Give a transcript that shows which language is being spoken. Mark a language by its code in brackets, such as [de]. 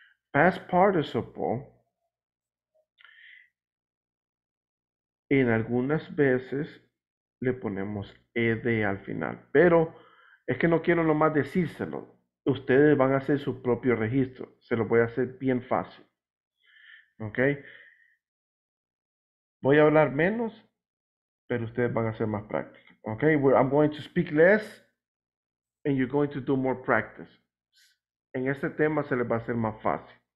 [es] Past participle, en algunas veces le ponemos ed al final, pero es que no quiero nomás decírselo. Ustedes van a hacer su propio registro. Se lo voy a hacer bien fácil. ¿Ok? Voy a hablar menos, pero ustedes van a hacer más práctica. ¿Ok? [en] I'm going to speak less, and you're going to do more practice. [es] En este tema se les va a hacer más fácil.